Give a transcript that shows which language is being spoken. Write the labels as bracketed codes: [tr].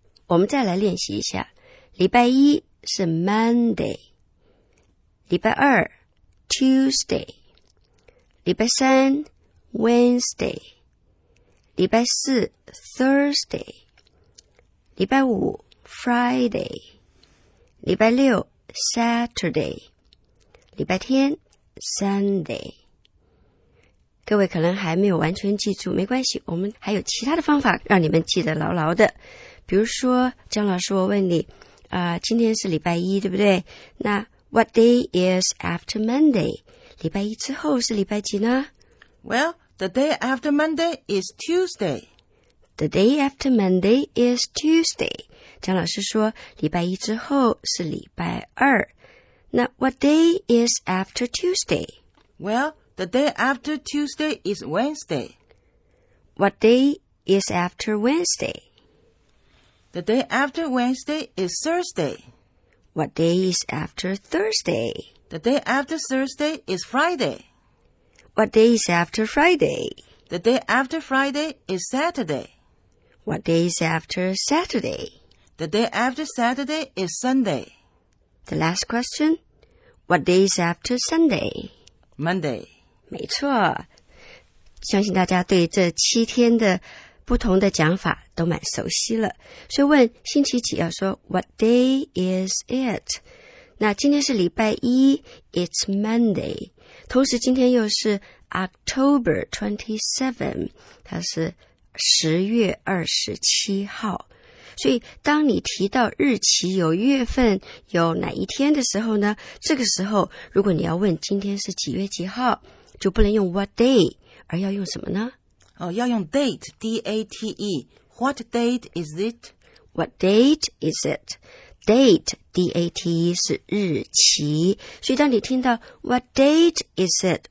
[zh] 我们再来练习一下，礼拜一是 Monday， 礼拜二 Tuesday， 礼拜三 Wednesday， 礼拜四 Thursday， 礼拜五 Friday， 礼拜六 Saturday， 礼拜天 Sunday。各位可能还没有完全记住，没关系，我们还有其他的方法让你们记得牢牢的。比如说姜老师我问你今天是礼拜一对不对那 [en] what day is after Monday? [zh] 礼拜一之后是礼拜几呢 [en] Well, the day after Monday is Tuesday. The day after Monday is Tuesday. [zh] 姜老师说礼拜一之后是礼拜二。 [en] 那 what day is after Tuesday? Well, the day after Tuesday is Wednesday. What day is after Wednesday? The day after Wednesday is Thursday. What day is after Thursday? The day after Thursday is Friday. What day is after Friday? The day after Friday is Saturday. What day is after Saturday? The day after Saturday is Sunday. The last question, what day is after Sunday? Monday. [zh] 没错，相信大家对这七天的不同的讲法都蛮熟悉了，所以问星期几要说 [en] What day is it? [zh] 那今天是礼拜一 [en] It's Monday [zh] 同时今天又是 October 27 它是十月二十七号所以当你提到日期有月份有哪一天的时候呢这个时候如果你要问今天是几月几号就不能用 What day 而要用什么呢哦，要用 [en] date, D-A-T-E. What date is it? What date is it? [zh] date, D-A-T-E 是日期。 所以当你听到 [en] what date is it?